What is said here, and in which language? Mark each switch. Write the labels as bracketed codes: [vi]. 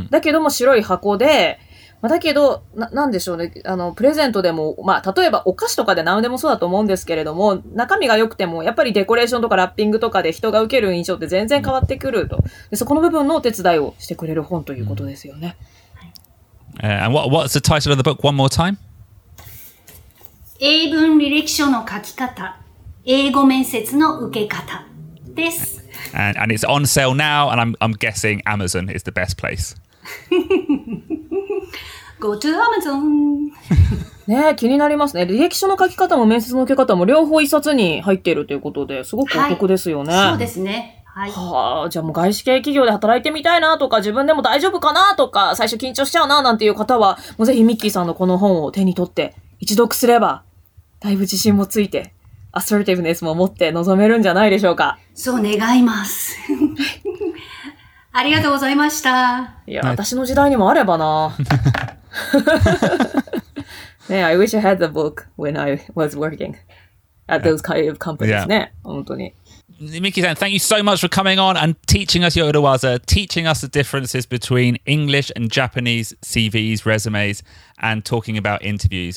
[ja] だけども白い箱で、まあ、だけど、なんでしょうね、あの、プレゼントでも、まあ、例えばお菓子とかで何でもそうだと思うんですけれども、中身が良くても、やっぱりデコレーションとかラッピングとかで人が受ける印象って全然変わってくると。で、そこの部分のお手伝いをしてくれる本ということですよね。 [en] And what's the title of the book one more time? [ja] 英文履歴書の書き方、英語面接の受け方です。 [en] And it's on sale now, and I'm guessing Amazon is the best place. Go to Amazon. [ja] ね、気になりますね。履歴書の書き方も面接の受け方も両方一冊に入っているということで、すごくお得ですよね。はい、そうですね。はい。はあ、じゃあもう外資系企業で働いてみたいなとか、自分でも大丈夫かなとか、最初緊張しちゃうななんていう方は、もうぜひミッキーさんのこの本を手に取って一読すれば、だいぶ自信もついて。アセルティブネスも持って臨めるんじゃないでしょうか。そう願います。ありがとうございました。いや、私の時代にもあればな。 [en] ね、I wish I had the book when I was working at those kind of companies. [ja] ね、本当に。 [en] Miki さん、thank you so much for coming on and teaching us your uruwaza, teaching us the differences between English and Japanese CVs, resumes, and talking about interviews.